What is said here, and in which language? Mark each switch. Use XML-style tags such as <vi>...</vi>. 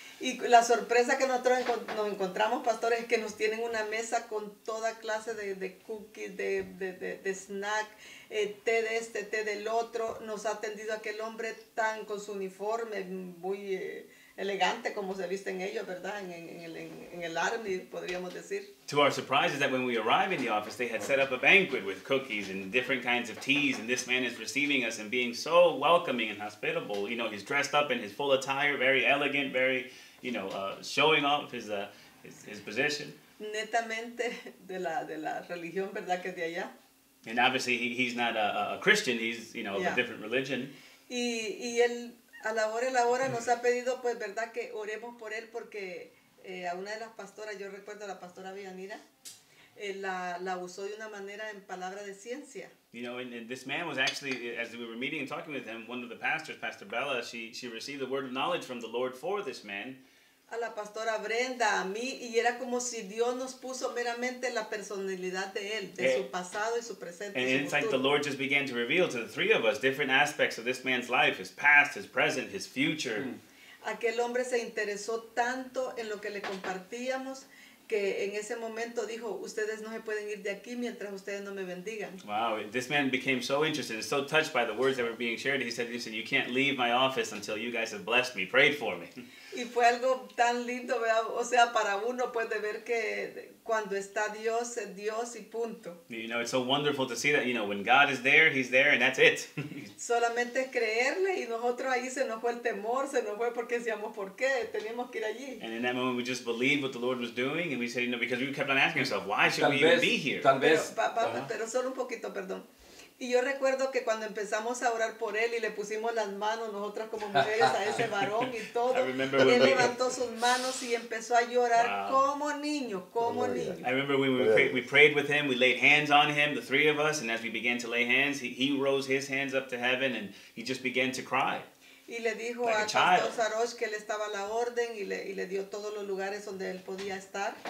<es>Y la sorpresa que nosotros nos encontramos, pastores, es que nos tienen una mesa con toda clase de cookies, de snack, té de este, té del otro. Nos ha atendido aquel hombre tan con su uniforme, muy elegante como se viste en ellos, ¿verdad? En el army, podríamos decir.</es> <en>To our surprise is that when we arrived in the office, they had set up a banquet with cookies and different kinds of teas, and this man is receiving us and being so welcoming and hospitable. You know, he's dressed up in his full attire, very elegant, very, you know, showing off his position.</en> <es>Netamente de la religión, ¿verdad? Que de allá.</es> <en>And obviously, he's not a Christian. He's, you know, of a different religion.</en> <es>Y él... A la hora y la hora nos ha pedido, pues, verdad, que oremos por él, porque a una de las pastoras, yo recuerdo a la pastora Vianira, la usó de una manera en palabra de ciencia.</es> <en>You know, and this man was actually, as we were meeting and talking with him, one of the pastors, Pastor Bella, she received the word of knowledge from the Lord for this man.</en> <es>A la pastora Brenda, a mí, y era como si Dios nos puso meramente la personalidad de él, de su pasado y su presente.</es> <en>And</en> <es>su</es> <en>it's</en> <es>futuro.</es> <en>Like the Lord just began to reveal to the three of us different aspects of this man's life, his past, his present, his future.</en> <es>Aquel hombre se interesó tanto en lo que le compartíamos que en ese momento dijo, ustedes no se pueden ir de aquí mientras ustedes no me bendigan.</es> <en>Wow, this man became so interested and so touched by the words that were being shared. He said, listen, you can't leave my office until you guys have blessed me, prayed for me.</en> <es>Y fue algo tan lindo, ¿verdad? O sea, para uno puede ver que cuando está Dios, es Dios y punto.</es> <en>You know, it's so wonderful to see that, you know, when God is there, he's there and that's it.</en> <es>Solamente creerle y nosotros ahí se nos fue el temor, se nos fue porque decíamos, ¿por qué? Teníamos que ir allí.</es> <en>And in that moment we just believed what the Lord was doing and we said, you know, because we kept on asking ourselves, why should we even be here?</en> <es>Tal vez. Pero solo un poquito, perdón. Y yo recuerdo que cuando empezamos a orar por él y le pusimos las manos nosotras como mujeres a ese varón y todo, él levantó sus manos y empezó a llorar como niño.</es> <en>I remember when we prayed with him, we laid hands on him, the three of us, and as we began to lay hands, he rose his hands up to heaven and he just began to cry.</en> <es>Y le dijo like a Pastor Saros que él estaba a la orden y le dio todos los lugares donde él podía estar.</es>